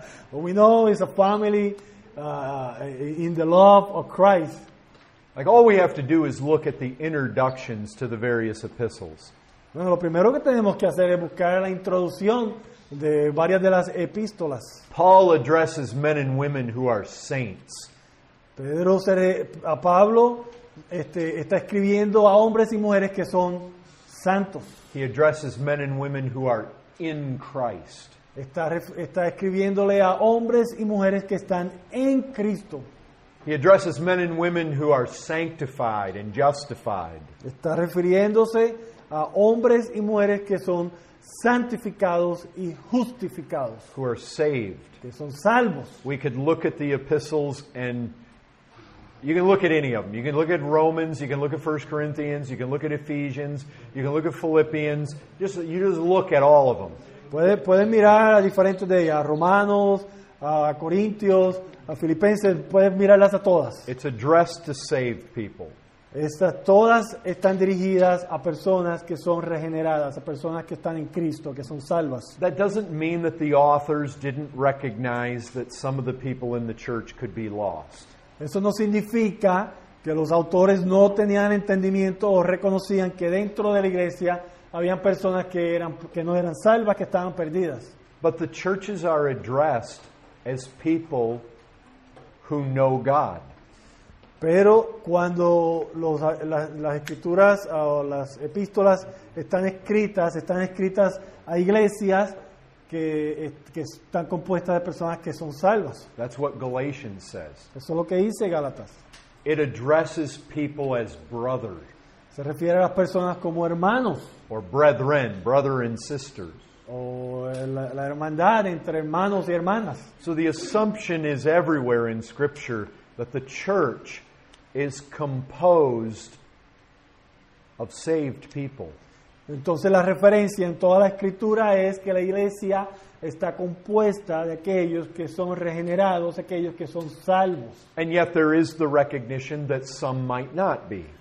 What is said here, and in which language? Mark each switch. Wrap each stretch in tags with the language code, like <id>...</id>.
<en>What we know is a family in the love of Christ. Like, all we have to do is look at the introductions to the various epistles.</en> <es>Bueno, lo primero que tenemos que hacer es buscar la introducción de varias de las epístolas.</es> <en>Paul addresses men and women who are saints.</en> <es>Pablo está escribiendo a hombres y mujeres que son santos.</es> <en>He addresses men and women who are in Christ.</en> <es>Está escribiéndole a hombres y mujeres que están en Cristo.</es> <en>He addresses men and women who are sanctified and justified.</en> <es>Está refiriéndose a hombres y mujeres que son santificados y justificados.</es> <en>Who are saved.</en> <es>Que son salvos.</es> <en>We could look at the epistles and you can look at any of them. You can look at Romans, you can look at 1 Corinthians, you can look at Ephesians, you can look at Philippians. You just look at all of them.</en> <es>Puede mirar a diferentes de ellas, a Romanos, a Corintios, a Filipenses, puedes mirarlas a todas.</es> <en>It's addressed to saved people.</en> <es>Estas todas están dirigidas a personas que son regeneradas, a personas que están en Cristo, que son salvas.</es> <en>That doesn't mean that the authors didn't recognize that some of the people in the church could be lost.</en> <es>Eso no significa que los autores no tenían entendimiento o reconocían que dentro de la iglesia habían personas que no eran salvas, que estaban perdidas.</es> <en>But the churches are addressed as people who know God.</en> <es>Pero cuando las escrituras o las epístolas están escritas a iglesias que están compuestas de personas que son salvas.</es> <en>That's what Galatians says.</en> <es>Eso es lo que dice Gálatas.</es> <en>It addresses people as brothers.</en> <es>Se refiere a las personas como hermanos.</es> <en>Or brethren, brother and sisters.</en> <es>O la hermandad entre hermanos y hermanas.</es> <en>So the assumption is everywhere in Scripture that the church is composed of saved people.</en> <es>Entonces la referencia en toda la escritura es que la iglesia está compuesta de aquellos que son regenerados, aquellos que son salvos.</es> <en>And yet there is the recognition that some might not be.</en>